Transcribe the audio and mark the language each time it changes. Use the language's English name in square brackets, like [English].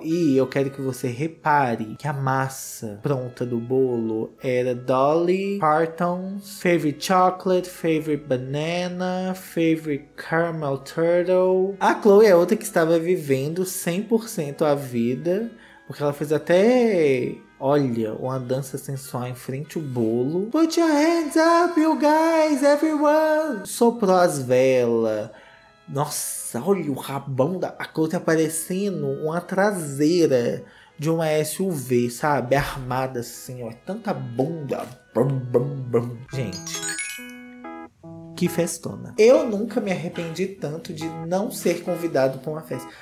[Portuguese] E eu quero que você repare que a massa pronta do bolo era Dolly Parton's favorite chocolate, favorite banana, favorite caramel turtle. A Chloe é outra que estava vivendo 100% a vida, porque ela fez até, olha, uma dança sensual em frente ao bolo. [English] Put your hands up, you guys, everyone! [Portuguese] Soprou as velas. Nossa, olha o rabão da... A Chloe tá aparecendo uma traseira de uma SUV, sabe? Armada assim, ó. Tanta bunda. Brum, brum, brum. Gente, que festona. Eu nunca me arrependi tanto de não ser convidado pra uma festa.